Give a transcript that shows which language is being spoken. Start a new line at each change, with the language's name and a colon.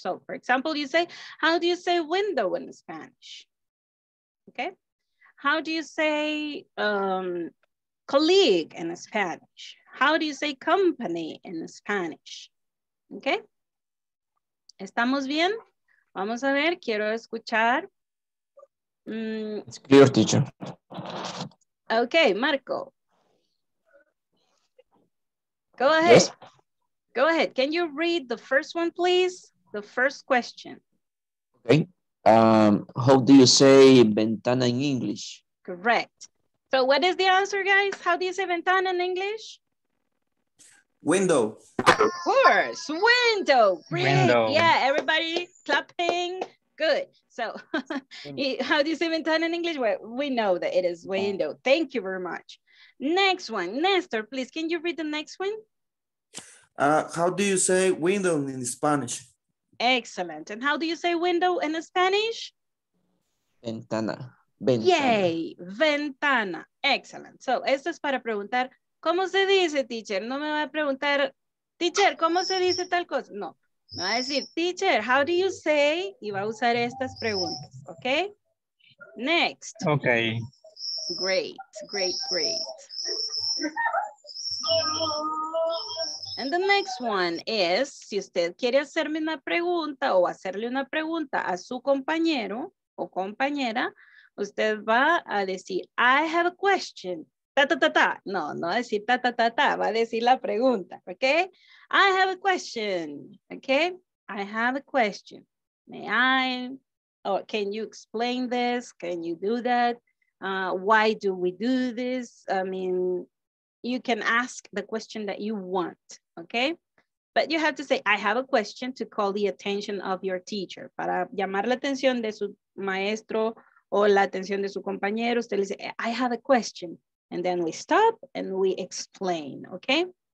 English: So, for example, you say, how do you say window in Spanish? Okay, how do you say colleague in Spanish? How do you say company in Spanish?
Spanish: Okay, ¿estamos bien? Vamos a ver, quiero escuchar
English: It's clear, teacher. Okay, Marco. Go ahead. Yes? Go ahead. Can you read the first one, please? The first question. Okay. How do you say ventana in English? Correct. So what is the answer, guys? How do you say ventana in English? Window. Of course. Window. Window. Yeah, everybody clapping. Good. So how do you say ventana in English? Well, we know that it is window. Thank you very much. Next one. Nestor, please, can you read the next one? How do you say window in Spanish? Excellent. And how do you say window in Spanish?
Spanish: Ventana. Ventana.
English: Yay. Ventana. Excellent.
Spanish: So, esto es para preguntar, ¿cómo se dice, teacher? No me va a preguntar, teacher, ¿cómo se dice tal cosa? No. Me va a decir, teacher,
English: how do you say?
Spanish: Y va a usar estas preguntas, ¿ok?
English: Next. Ok. Great, great, great. And the next one is,
Spanish: si usted quiere hacerme una pregunta o hacerle una pregunta a su compañero o compañera, usted va a decir,
English: I have a question. Ta, ta, ta, ta.
Spanish: No, no va a decir ta, ta, ta, ta. Va a decir la pregunta, ¿ok?
English: I have a question,
Spanish: ¿ok?
English: I have a question. May I, or can you explain this? Can you do that? Why do we do this? I mean, you can ask the question that you want, okay? But you have to say, I have a question to call the attention of your teacher.
Spanish: Para llamar la atención de su maestro o la atención de su compañero, usted le dice,
English: I have a question. And then we stop and we explain, okay?